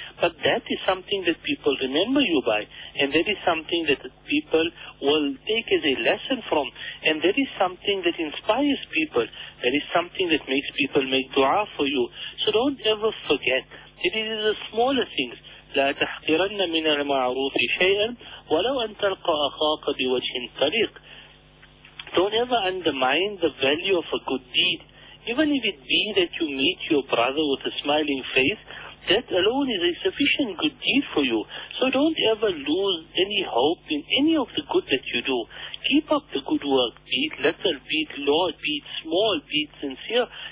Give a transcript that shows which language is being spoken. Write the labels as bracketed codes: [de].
[en] But that is something that people remember you by, and that is something that people will take as a lesson from, and that is something that inspires people, that is something that makes people make dua for you. So don't ever forget that it is the smaller things. [ar] لا تحقرن من المعروف شيئا ولو أن تلقى أخاك بوجه طريق. [en] Don't ever undermine the value of a good deed. Even if it be that you meet your brother with a smiling face, that alone is a sufficient good deed for you. So don't ever lose any hope in any of the good that you do. Keep up the good work, be it little, be it large, be it small, be it sincere.